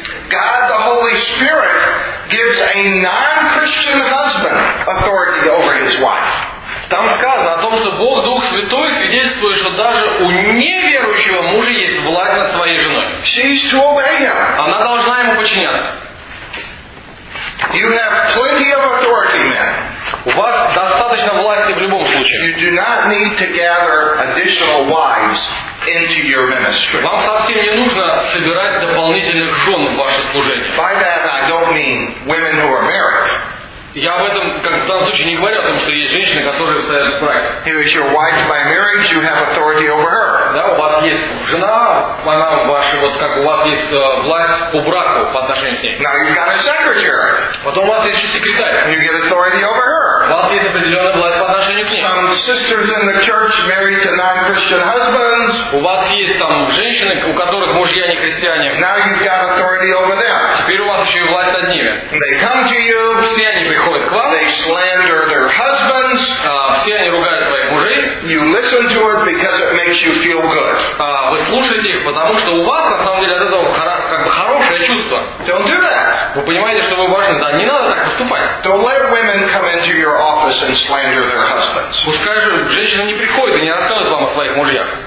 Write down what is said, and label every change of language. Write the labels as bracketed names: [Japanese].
[English] God the Holy Spirit gives a non-Christian husband authority over his wife. [Russian] Там сказано о том, что Бог Дух Святой свидетельствует, что даже у неверующего мужа есть власть над своей женой. [English] She is to obey him. [Russian] Она должна ему подчиняться. [English] You have plenty of authority, men. [Russian] У вас достаточно власти в любом случае. [English] You do not need to gather additional wives into your ministry. [Russian] Вам совсем не нужно собирать дополнительных жен в ваше служение. [English] By that I don't mean women who are married. [Russian] Я об этом, как в данном случае, не говорю о том, что есть женщины, которые стоят в браке. [English] Here is your wife by marriage, you have authority over her. [Russian] Да, у вас есть жена, она ваша, вот как у вас есть власть по браку по отношению к ней. [English] Now you've got a secretary. [Russian] Потом у вас есть секретарь. [English] You get authority over her. [Russian] У вас есть определенная власть по отношению к ней. [English] Some sisters in the church married to Christian husbands. [Russian] У вас есть там женщины, у которых мужья не христиане. [English] Now you've got authority over them. [Russian] Теперь у вас еще и власть над ними. [English] They come to you. [Russian] Все они приходят к вам. [English] They slander their husbands. [Russian] Все они ругают своих мужей. [English] You listen to it because it makes you feel good. [Russian] Вы слушаете их, потому что у вас на самом деле от этого как бы хорошее чувство. [English] Don't do that. [Russian] Вы понимаете, что вы важны? Да, не надо так поступать. [English] Don't let women come into your office and slander their husbands. [Russian] Пускай же женщины не приходят и не рассказывают вам о своих мужьях.